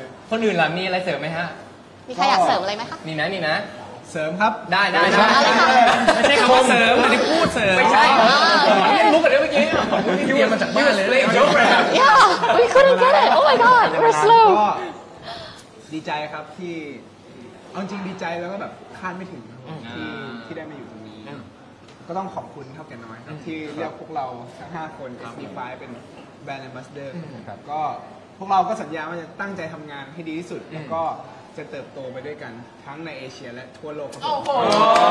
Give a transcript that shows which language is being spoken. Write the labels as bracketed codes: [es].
[th] คนอื่นล่ะมีอะไรเสริมไหมฮะ มีใครอยากเสริมอะไร ไ หมคะ นี่นะนี่นะ เสริมครับ ได้ๆๆไม่ใช่คําว่าเสริมไม่ได้พูดเสริม ไม่ใช่ เ หรอ ไม่รู้ กัน เลยเมื่อกี้ผมเพิ่งเรียนมาจากบ้านเลยเยอะแ ยะ [en] We couldn't get it Oh my god we're slow [th] ดีใจครับที่เอาจริงดีใจแล้วก็แบบคาดไม่ถึงครับที่ได้มาอยู่ตรงนี้ก็ต้องขอบคุณเท่าแก่น้อยที่เรียกพวกเราทั้ง5คน Spotify เป็นแบรนด์แอมบาสเดอร์ครับก็พวกเราก็สัญญาว่าจะตั้งใจทำงานให้ดีที่สุดแล้วก็จะเติบโตไปด้วยกันทั้งในเอเชียและทั่วโลกครับโอ้โหโ